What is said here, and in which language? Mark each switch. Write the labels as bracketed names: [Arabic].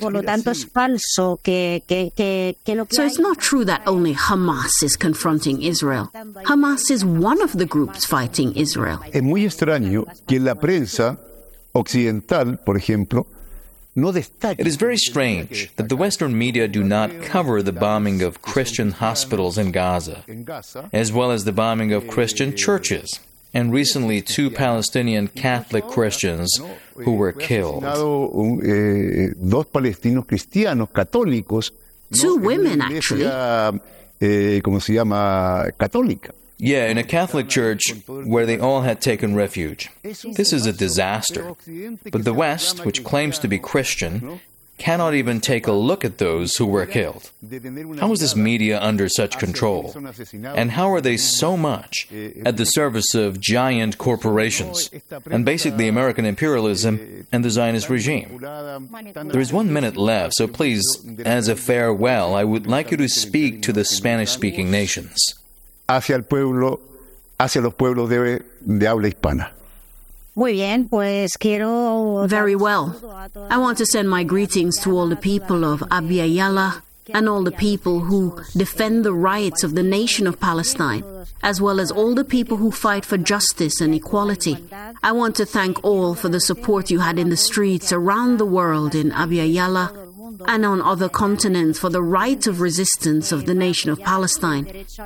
[English] So it's not true that only Hamas is confronting Israel. Hamas is one of the groups fighting Israel. [Spanish] Es muy extraño que la prensa occidental, por ejemplo, [English] it is very strange that the Western media do not cover the bombing of Christian hospitals in Gaza, as well as the bombing of Christian churches, and recently two Palestinian Catholic Christians who were killed. [Spanish] Dos palestinos cristianos católicos. [English] Two women, actually. [Spanish] ¿Cómo se llama? Católica. [English] Yeah, in a Catholic church where they all had taken refuge. This is a disaster. But the West, which claims to be Christian, cannot even take a look at those who were killed. How is this media under such control? And how are they so much at the service of giant corporations and basically American imperialism and the Zionist regime? There is 1 minute left, so please, as a farewell, I would like you to speak to the Spanish-speaking nations. [Spanish] Hacia el pueblo, hacia los pueblos de habla hispana. Muy bien, pues quiero... [English] Very well. I want to send my greetings to all the people of Abya Yala and all the people who defend the rights of the nation of Palestine, as well as all the people who fight for justice and equality. I want to thank all for the support you had in the streets around the world in Abya Yala and on other continents for the right of resistance of the nation of Palestine.